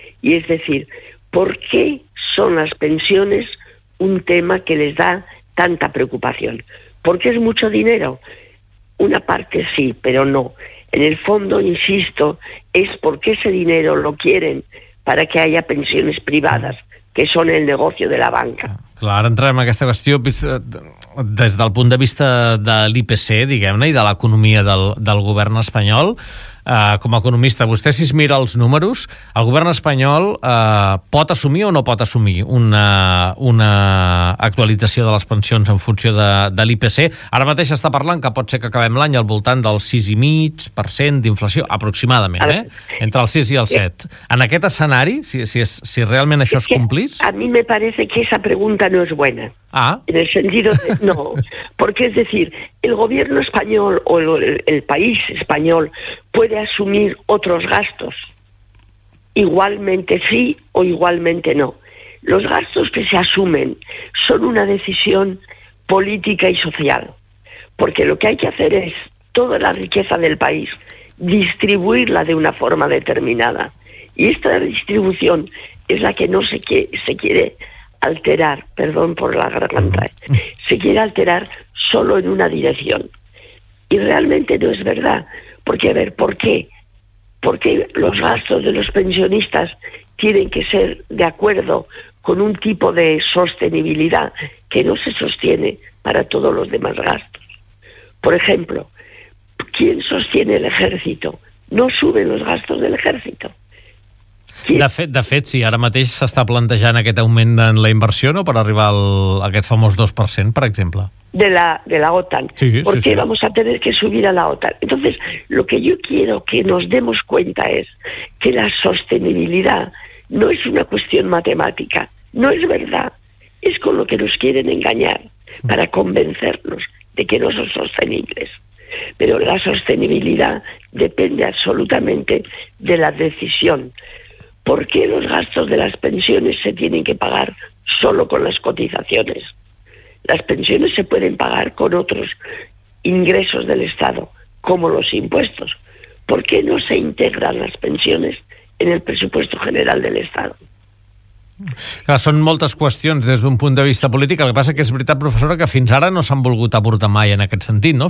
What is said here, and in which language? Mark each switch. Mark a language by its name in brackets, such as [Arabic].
[Spanish] Y es decir, ¿por qué son las pensiones un tema que les da tanta preocupación? ¿Porque es mucho dinero? Una parte sí, pero no. En el fondo, insisto, es porque ese dinero lo quieren para que haya pensiones privadas, que son el negocio de la banca. [Catalan] Clar, ara entrem en aquesta qüestió des del punt de vista de l'IPC, diguem-ne, i de l'economia del govern espanyol. Com a economista, vostè, si es mira els números, el govern espanyol pot assumir o no pot assumir una actualització de les pensions en funció de l'IPC? Ara mateix està parlant que pot ser que acabem l'any al voltant del 6,5% d'inflació, aproximadament, entre el 6 i el 7. En aquest escenari, si realment això es complís... [Spanish] A mi me parece que esa pregunta no es buena. En el sentido de no, porque es decir, el gobierno español o el país español puede asumir otros gastos, igualmente sí o igualmente no. Los gastos que se asumen son una decisión política y social, porque lo que hay que hacer es toda la riqueza del país distribuirla de una forma determinada, y esta distribución es la que no se quiere alterar, perdón por la garganta, se quiere alterar solo en una dirección. Y realmente no es verdad. Porque, a ver, ¿por qué? Porque los gastos de los pensionistas tienen que ser de acuerdo con un tipo de sostenibilidad que no se sostiene para todos los demás gastos. Por ejemplo, ¿quién sostiene el ejército? No suben los gastos del ejército. [Catalan] De fet, sí, ara mateix s'està plantejant aquest augment en la inversió, no?, per arribar al, a aquest famós 2%, per exemple. [Spanish] De la OTAN. Sí, ¿Por sí, qué sí. vamos a tener que subir a la OTAN? Entonces, lo que yo quiero que nos demos cuenta es que la sostenibilidad no es una cuestión matemática, no es verdad. Es con lo que nos quieren engañar para convencernos de que no son sostenibles. Pero la sostenibilidad depende absolutamente de la decisión. ¿Por qué los gastos de las pensiones se tienen que pagar solo con las cotizaciones? Las pensiones se pueden pagar con otros ingresos del Estado, como los impuestos. ¿Por qué no se integran las pensiones en el presupuesto general del Estado? [Catalan] Clar, són moltes qüestions des d'un punt de vista polític. El que passa que és veritat, professora, que fins ara no s'han volgut abordar mai en aquest sentit, no?